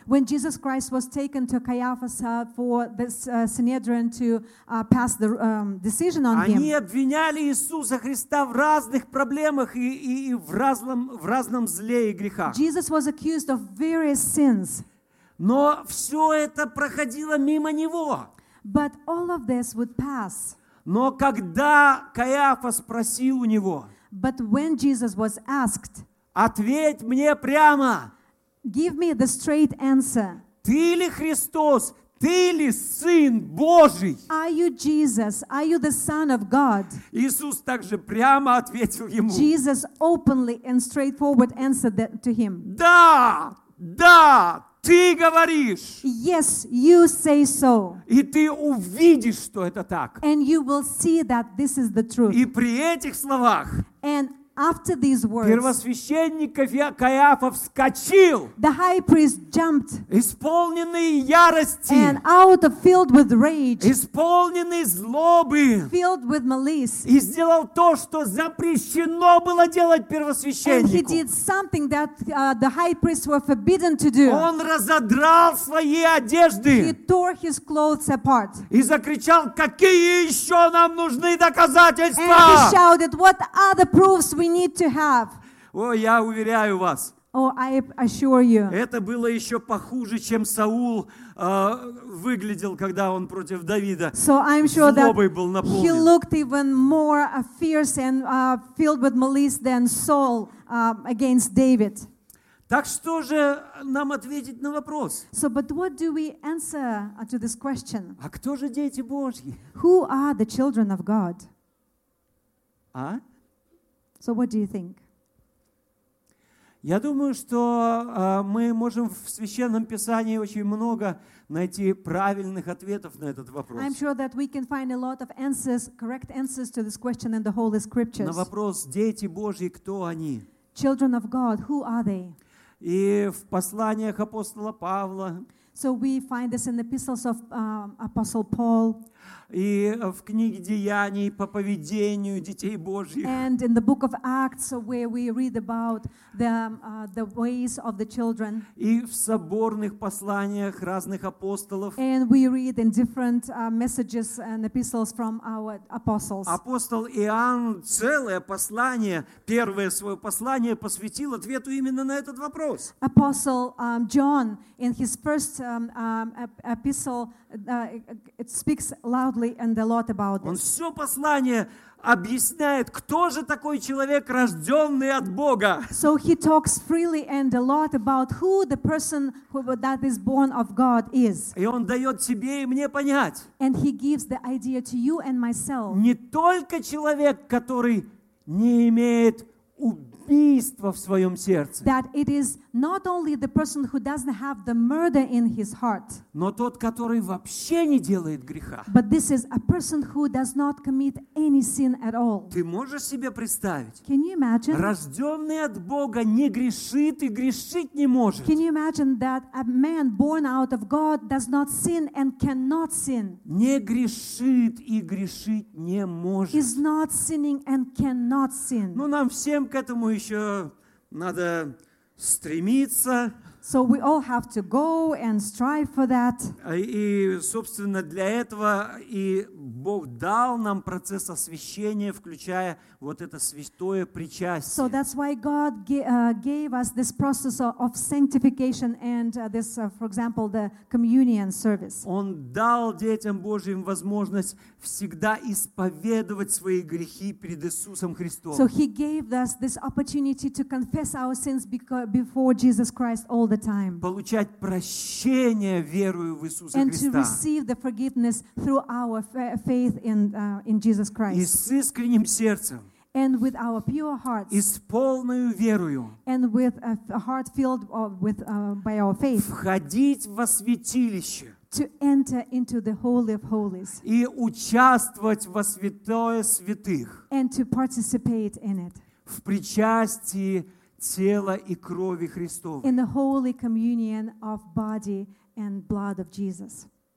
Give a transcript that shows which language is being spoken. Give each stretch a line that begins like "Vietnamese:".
English: When Jesus Christ was taken to Caiaphas for this Sanhedrin to pass the decision on him.
Russian: Они обвиняли Иисуса Христа в разных проблемах и в разном зле и грехах.
English: Jesus was accused of various sins.
Russian: Но все это проходило мимо него.
English: But all of this would pass.
Russian: Но когда Каиафа спросил у него,
English: But when Jesus was asked,
Russian: ответь мне прямо,
English: give me the straight answer.
Russian: Ты ли Христос? Ты ли Сын Божий?
English: Are you Jesus? Are you the Son of God?
Russian: Иисус также прямо ответил ему.
English: Jesus openly and straightforward answered that to him.
Russian: Да, да. Ты говоришь.
English: Yes, you say so.
Russian: И ты увидишь, что это так.
English: And you will see that this is the truth.
Russian: И при этих словах.
English: And after these words.
Russian: Первосвященник Каиафа вскочил.
English: The high priest jumped.
Russian: Исполненный ярости.
English: And out of filled with rage.
Russian: Исполненный злобы.
English: Filled with malice.
Russian: И сделал то, что запрещено было делать первосвященнику.
English: And he did something that the high priests were forbidden to do.
Russian: Он разодрал свои одежды.
English: He tore his clothes apart.
Russian: И закричал: какие еще нам нужны доказательства?
English: And he shouted, what other proofs we need to have.
Russian: О, я уверяю вас.
English: Oh, I assure you.
Russian: Это было еще похуже, чем Саул выглядел, когда он против Давида.
English: So I'm sure
Russian: злобой
English: that
Russian: был наполнен.
English: He looked even more fierce and filled with malice than Saul against David.
Russian: Так что же нам ответить на вопрос?
English: So, but what do we answer to this question?
Russian: А кто же дети Божьи?
English: Who are the children of God?
Russian: А?
English: So what do you think?
Russian: Я думаю, что мы можем в Священном Писании очень много найти правильных ответов на этот вопрос.
English: I'm sure that we can find a lot of answers, correct answers to this question in the Holy Scriptures.
Russian: На вопрос «Дети Божьи, кто они?»
English: Children of God, who are they?
Russian: И в посланиях апостола Павла.
English: So we find this in the epistles of Apostle Paul.
Russian: И в книге Деяний по поведению детей Божьих.
English: And in the book of Acts, where we read about the ways of the children.
Russian: И в соборных посланиях разных апостолов.
English: And we read in different messages and epistles from our apostles.
Russian: Апостол Иоанн целое послание, первое свое послание посвятил ответу именно на этот вопрос.
English: Apostle John, in his first epistle, it speaks loudly. And a lot about this.
Russian: Он все послание объясняет, кто же такой человек, рожденный от Бога.
English: So he talks freely and a lot about who the person that is born of God is.
Russian: И он дает тебе и мне понять.
English: And he gives the idea to you and myself.
Russian: Не только человек, который не имеет убийство в своем сердце.
English: That it is not only the person who doesn't have the murder in his heart.
Russian: Но тот, который вообще не делает греха.
English: But this is a person who does not commit any sin at all.
Russian: Ты можешь себе представить?
English: Can you imagine?
Russian: Рожденный от Бога не грешит и грешить не может.
English: Can you imagine that a man born out of God does not sin and cannot sin?
Russian: Не грешит и грешить не может.
English: Is not sinning and cannot sin.
Russian: Ну, нам всем к этому еще надо стремиться.
English: So we all have to go and strive for that.
Russian: И, собственно, для этого и Бог дал нам процесс освящения, включая вот это святое причастие.
English: So that's why God gave us this process of sanctification and this, for example, the communion service.
Russian: Он дал детям Божьим возможность всегда исповедовать свои грехи перед Иисусом Христом.
English: So He gave us this opportunity to confess our sins before Jesus Christ all the time.
Russian: Получать прощение верою в Иисуса Христа.
English: And to receive the forgiveness through our faith in Jesus Christ.
Russian: И с искренним сердцем.
English: And with our pure hearts.
Russian: И с полной верою.
English: And with a heart filled with by our faith.
Russian: Входить во святилище.
English: To enter into the Holy of Holies.
Russian: И участвовать во святое святых.
English: And to participate in it.
Russian: В причастии тела и крови Христовой.
English: In the Holy Communion of Body and Blood of Jesus.